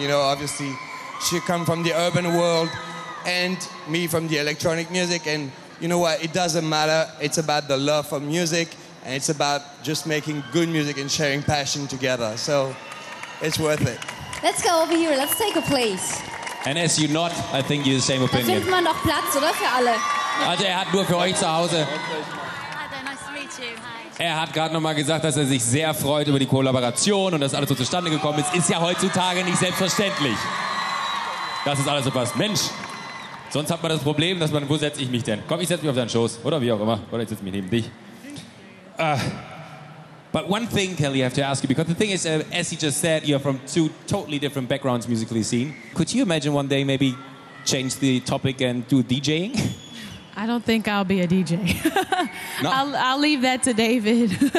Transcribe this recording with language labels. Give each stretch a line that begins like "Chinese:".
English: You know, obviously, she come from the urban world and me from the electronic music. And you know what? It doesn't matter. It's about the love for music. And it's about just making good music and sharing passion together. So it's worth it. Let's go over here. Let's take a place. And as you not, I think you're the same opinion.
German: Da findet man doch Platz, oder? Für alle. Also er hat nur für euch zu Hause.
English: Hi, nice to meet you. Hi.
German: Er hat gerade nochmal gesagt, dass er sich sehr freut über die Kollaboration und dass alles so zustande gekommen ist. Ist ja heutzutage nicht selbstverständlich, dass es alles so passt. Mensch, sonst hat man das Problem, dass man, wo setze ich mich denn? Komm, ich setze mich auf deinen Schoß. Oder wie auch immer. Oder ich setze mich neben dich.
English: But one thing, Kelly, I have to ask you, because the thing is, as you just said, you're from two totally different backgrounds musically seen. Could you imagine one day maybe change the topic and do DJing? I don't think I'll be a DJ. No. I'll leave that to David.